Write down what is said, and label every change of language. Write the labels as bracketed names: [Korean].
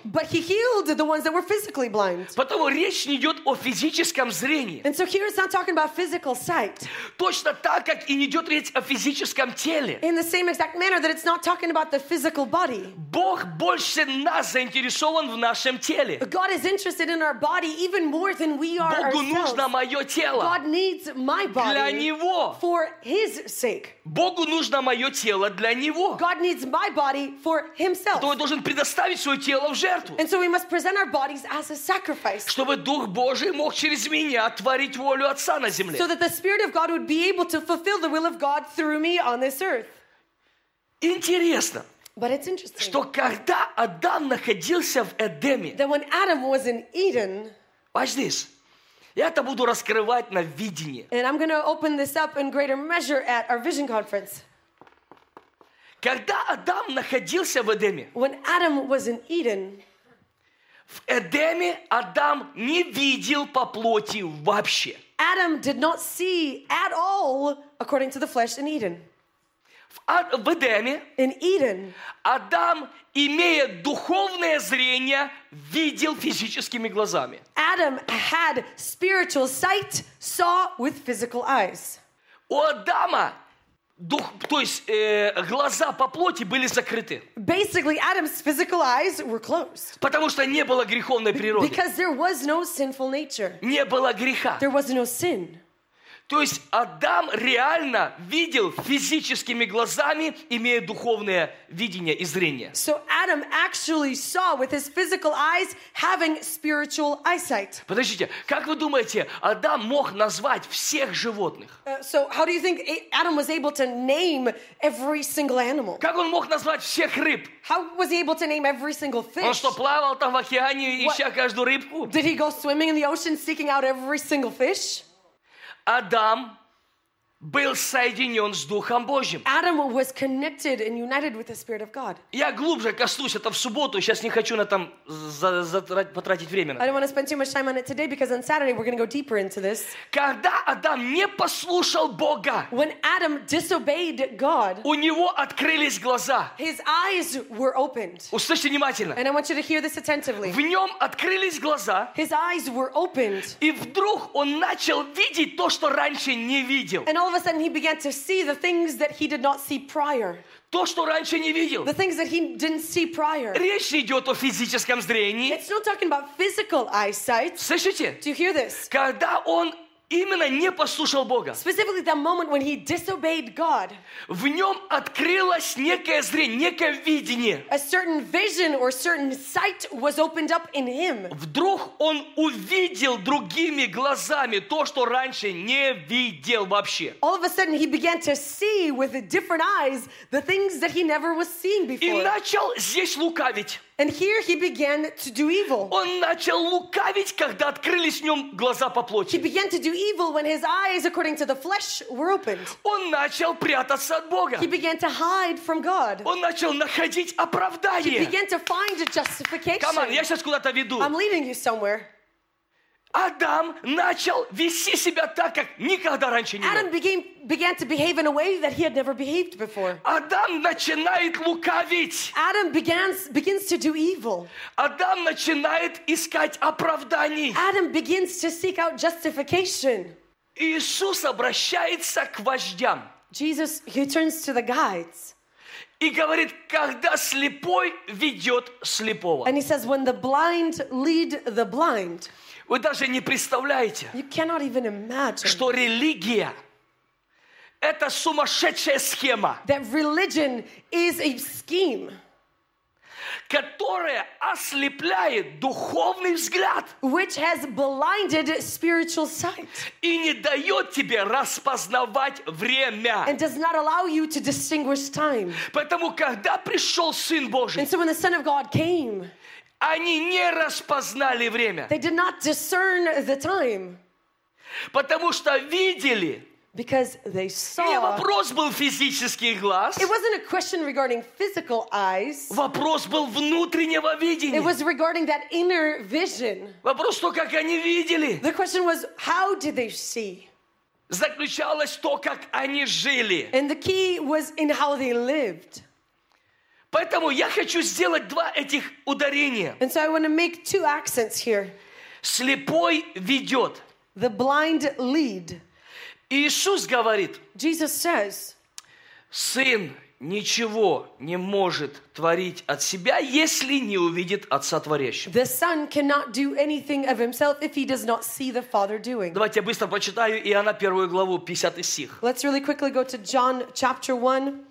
[English] But he healed the ones that were physically blind. [Russian] Потому речь не идет о физическом зрении. [English] And so here it's not talking about physical sight. [Russian] Точно так, как и не идет речь о физическом теле. [English] In the same exact manner that it's not talking about the physical body. [Russian] Бог больше нас заинтересован в нашем теле. [English] God is interested in our body even more than we are [Russian] Богу [English] ourselves. [Russian] Богу нужно мое тело. [English] God needs my body. [Russian] Для него. [English] For his sake. [Russian] Богу нужно мое тело для него. [English] God needs my body for himself. [Russian] Он должен предоставить свое тело в жертву. [English] And so we must present our bodies as a sacrifice. [Russian] Чтобы Дух Божий мог через меня творить волю Отца. [English] So that the Spirit of God would be able to fulfill the will of God through me on this earth. [Russian] Интересно. [English] But it's interesting. [Russian] Что когда Адам находился в Эдеме. [English] That when Adam was in Eden. Watch this. [Russian] Я это буду раскрывать на видении. [English] And I'm going to open this up in greater measure at our vision conference. [Russian] Когда Адам находился в Эдеме. [English] When Adam was in Eden. [Russian] В Эдеме Адам не видел по плоти вообще. [English] Adam did not see at all according to the flesh in Eden. [Russian] В Эдеме, [English] in Eden, [Russian] Адам, имея духовное зрение, видел физическими глазами. [English] Adam had spiritual sight, saw with physical eyes. [Russian] У Адама дух, то есть глаза по плоти были закрыты. [English] Basically, Adam's physical eyes were closed. [Russian] Потому что не было греховной природы. [English] Because there was no sinful nature. [Russian] Не было греха. [English] There was no sin. [Russian] То есть Адам реально видел физическими глазами, имея духовное видение и зрение. [English] So Adam actually saw with his physical eyes, having spiritual eyesight. [Russian] Подождите, как вы думаете, Адам мог назвать всех животных? [English] So how do you think Adam was able to name every single animal? [Russian] Как он мог назвать всех рыб? [English] How was he able to name every single fish? [Russian] Он что, плавал там в океане, ища каждую рыбку? [English] Did he go swimming in the ocean, seeking out every single fish? [Russian] Адам был соединен с Духом Божьим. [English] Adam was connected and united with the Spirit of God. [Russian] Я глубже коснусь это в субботу, сейчас не хочу на этом потратить время. [English] I don't want to spend too much time on it today because on Saturday we're going to go deeper into this. [Russian] Когда Адам не послушал Бога, [English] when Adam disobeyed God, [Russian] у него открылись глаза. [English] His eyes were opened. [Russian] Услышьте внимательно. [English] And I want you to hear this attentively. [Russian] В нем открылись глаза. [English] His eyes were opened. [Russian] И вдруг он начал видеть то, что раньше не видел. [English] And all of a sudden he began to see the things that he did not see prior. [Russian] То, что раньше не видел. [English] The things that he didn't see prior. [Russian] Речь идет о физическом зрении. [English] It's not talking about physical eyesight. [Russian] Слышите? [English] Do you hear this? [Russian] Когда он именно не послушал Бога. [English] Specifically the moment when he disobeyed God. [Russian] В нем открылось некое зрение, некое видение. [English] A certain vision or certain sight was opened up in him. [Russian] Вдруг он увидел другими глазами то, что раньше не видел вообще. [English] All of a sudden he began to see with different eyes the things that he never was seeing before. [Russian] И начал здесь лукавить. [English] And here he began to do evil. [Russian] Он начал лукавить, когда открылись в нем глаза по плоти. [English] He began to do evil when his eyes, according to the flesh, were opened. [Russian] Он начал прятаться от Бога. [English] He began to hide from God. [Russian] Он начал находить оправдание. [English] He began to find a justification. Come on, [Russian] я сейчас куда-то веду. [English] I'm leading you somewhere. [Russian] Адам начал вести себя так, как никогда раньше не был. [English] Adam began to behave in a way that he had never behaved before. [Russian] Адам начинает лукавить. [English] Adam begins to do evil. [Russian] Адам начинает искать оправданий. [English] Adam begins to seek out justification. [Russian] Иисус обращается к вождям. [English] Jesus, he turns to the guides. [Russian] И говорит, когда слепой ведет слепого. [English] And he says, when the blind lead the blind. [Russian] Вы даже не представляете, [English] you cannot even imagine, [Russian] что религия – это сумасшедшая схема, [English] that religion is a scheme, [Russian] которая ослепляет духовный взгляд, [English] which has blinded spiritual sight, [Russian] и не дает тебе распознавать время, [English] and does not allow you to distinguish time. [Russian] Поэтому, когда пришел Сын Божий, [English] and so when the Son of God came, [Russian] они не распознали время. [English] They did not discern the time. [Russian] Потому что видели. [English] Because they saw. [Russian] Не вопрос был физических глаз. [English] It wasn't a question regarding physical eyes. [Russian] Вопрос был внутреннего видения. [English] It was regarding that inner vision. [Russian] Вопрос то, как они видели. [English] The question was, how did they see? [Russian] Заключалось в то, как они жили. [English] And the key was in how they lived. [Russian] Поэтому я хочу сделать два этих ударения. [English] And so I want to make two accents here. [Russian] Слепой ведет. [English] The blind lead. [Russian] Иисус говорит. [English] Jesus says. [Russian] Сын ничего не может творить от себя, если не увидит Отца творящего. [English] The Son cannot do anything of himself if he does not see the Father doing. [Russian] Давайте я быстро прочитаю Иоанна 1 главу 50 стих. [English] Let's really quickly go to John chapter 1